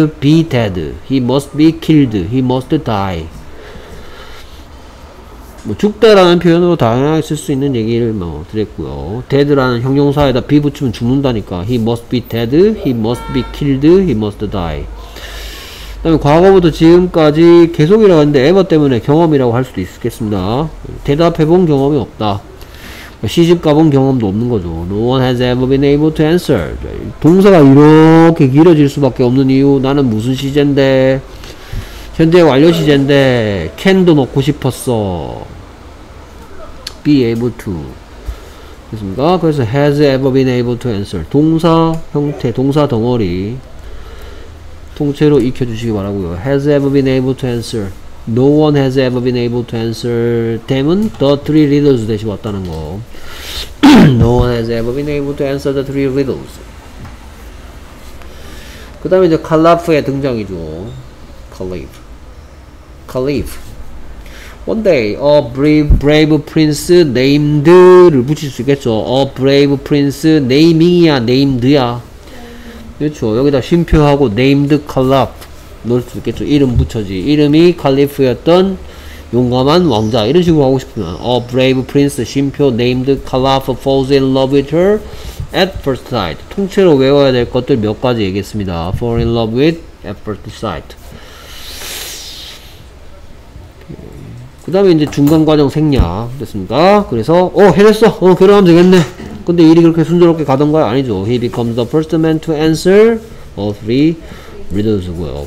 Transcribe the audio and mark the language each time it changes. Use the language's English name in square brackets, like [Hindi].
[English] be dead he must be killed he must die [Korean] 뭐 죽다라는 표현으로 다양하게 쓸 수 있는 얘기를 뭐 드렸고요 dead라는 형용사에다 be 붙이면 죽는다니까 [English] he must be dead he must be killed he must die [Korean] 그 다음에 과거부터 지금까지 계속이라고 했는데 ever 때문에 경험이라고 할 수도 있겠습니다. 대답해본 경험이 없다. 시집 가본 경험도 없는 거죠. [English] No one has ever been able to answer. [Korean] 동사가 이렇게 길어질 수밖에 없는 이유. 나는 무슨 시제인데? 현재 완료 시제인데? can도 넣고 싶었어. [English] be able to. [Korean] 됐습니까? 그래서 has ever been able to answer. 동사 형태, 동사 덩어리. 통째로 익혀주시기 바라고요. [English] Has ever been able to answer. No one has ever been able to answer. [Korean] 다음은 [English] the three riddles [Korean] 대신 왔다는 거. [English] no one has ever been able to answer the three riddles. [Korean] 그 다음에 이제 칼라프의 등장이죠. Caliph. Caliph. [English] One day, a brave prince named 를 붙일 수 있겠죠. A brave prince naming이야, named야. 그렇죠. [Korean] 여기다 쉼표하고 [English] named Caliph [Korean] 넣을 수 있겠죠. 이름 붙여지. 이름이 Caliph였던 용감한 왕자. 이런 식으로 하고 싶으면 [English] A brave prince 쉼표 named Caliph falls in love with her at first sight. [Korean] 통째로 외워야 될 것들 몇 가지 얘기했습니다. [English] Fall in love with at first sight. [Korean] 그 다음에 이제 중간 과정 생략 됐습니까? 그래서 해냈어! 결혼하면 되겠네! 근데 일이 그렇게 순조롭게 가던 거야? 아니죠. [English] He becomes the first man to answer all three riddles고요.